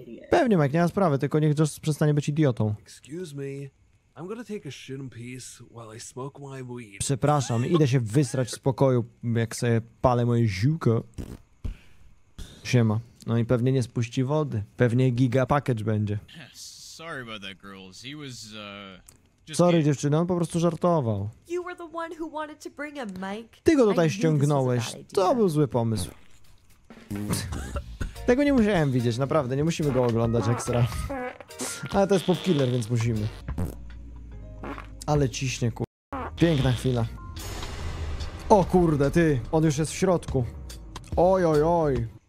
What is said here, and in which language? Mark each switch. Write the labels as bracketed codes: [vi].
[pl] Pewnie, Mike, nie ma sprawy, tylko niech Josh przestanie być idiotą. [en] I'm gonna take a shit in peace while I smoke my weed. [pl] Przepraszam, idę się wysrać w spokoju, jak sobie palę moje ziółko. Siema. No i pewnie nie spuści wody. Pewnie giga package będzie. [en] Sorry about that, girls. He was, [pl] Sorry, dziewczyno, on po prostu żartował. [en] You were the one who wanted to bring a mic. [pl] Ty go tutaj ściągnąłeś. To był zły pomysł. Tego nie musiałem widzieć, naprawdę. Nie musimy go oglądać ekstra. Ale to jest popkiller, więc musimy. Ale ciśnie, piękna chwila. O kurde, ty. On już jest w środku. Oj, oj, oj.